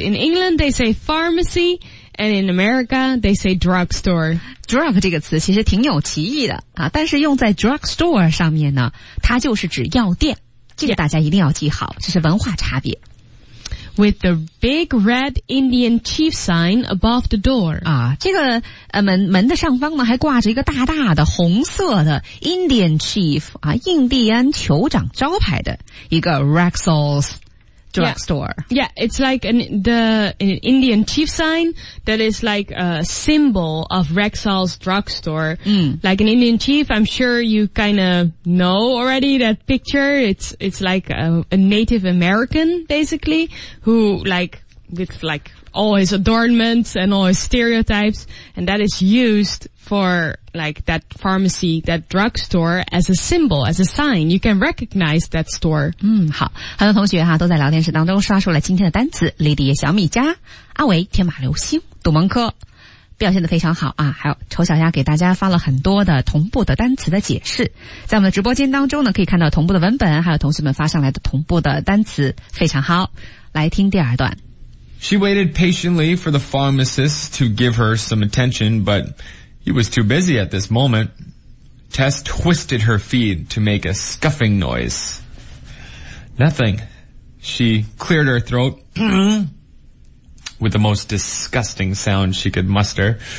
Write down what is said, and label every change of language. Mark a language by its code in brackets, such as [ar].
[en] In England, they say pharmacy, and in America, they say drugstore. [zh] Drug 这个词其实挺有歧义的啊，但是用在 drugstore 上面呢，它就是指药店。这个大家一定要记好，这是文化差别。 [en] With the big red Indian chief sign above the door. [zh] 啊，这个门的上方呢，还挂着一个大大的红色的 Indian chief, 啊，印第安酋长招牌的一个 Rexall's drugstore. [en] Yeah, yeah, it's like an Indian chief sign that is like a symbol of Rexall's drugstore. Like an Indian chief, I'm sure you kind of know already that picture. It's like a Native American, basically, who like, with like all his adornments and all his stereotypes, and that is used for like that pharmacy, that drugstore as a symbol, as a sign. You can recognize that store. [zh] 好，很多同学都在聊天室当中刷出了今天的单词。莉莉、小米加、阿维、天马流星、杜蒙科表现得非常好啊！还有丑小鸭给大家发了很多的同步的单词的解释，在我们的直播间当中呢，可以看到同步的文本，还有同学们发上来的同步的单词，非常好。来听第二段。 [en] She waited patiently for the pharmacist to give her some attention, but he was too busy at this moment. Tess twisted her feet to make a scuffing noise. Nothing. She cleared her throat with the most disgusting sound she could muster.